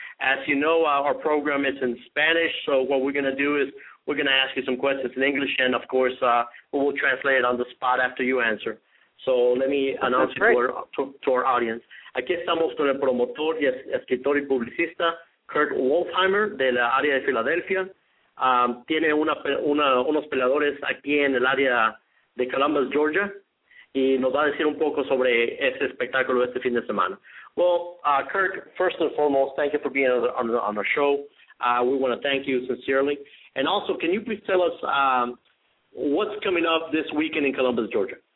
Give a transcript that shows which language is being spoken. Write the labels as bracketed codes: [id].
[en] As you know, our program is in Spanish, so what we're going to do is we're going to ask you some questions in English, and of course, we will translate it on the spot after you answer. So let me announce it to our audience. [es] Aquí estamos con el promotor y escritor y publicista, Kirk Wolfheimer, de la área de Filadelfia. Tiene unos peleadores aquí en el área de Columbus, Georgia, y nos va a decir un poco sobre ese espectáculo este fin de semana. [en] Well, Kirk, first and foremost, thank you for being on the show. We want to thank you sincerely. And also, can you please tell us what's coming up this weekend in Columbus, Georgia?